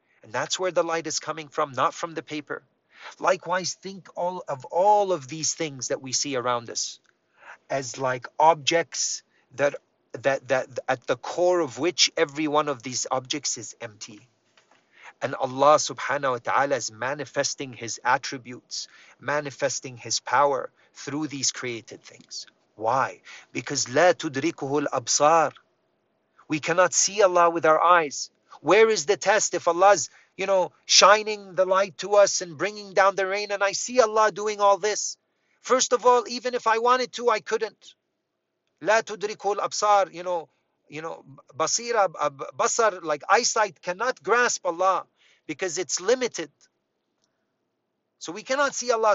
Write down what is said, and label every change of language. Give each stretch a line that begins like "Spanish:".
English: And that's where the light is coming from, not from the paper. Likewise, think all of these things that we see around us as like objects that at the core of which every one of these objects is empty. And Allah subhanahu wa ta'ala is manifesting his attributes, manifesting his power through these created things. Why?
Arabic: Because لا تدركه الأبصار.
English: We cannot see Allah with our eyes. Where is the test if Allah's, you know, shining the light to us and bringing down the rain and I see Allah doing all this? First of all, even if I wanted to, I couldn't.
Arabic: لا تدركه الأبصار,
English: you know, بصيرة, بصر, like eyesight cannot grasp Allah because it's limited. So we cannot see Allah.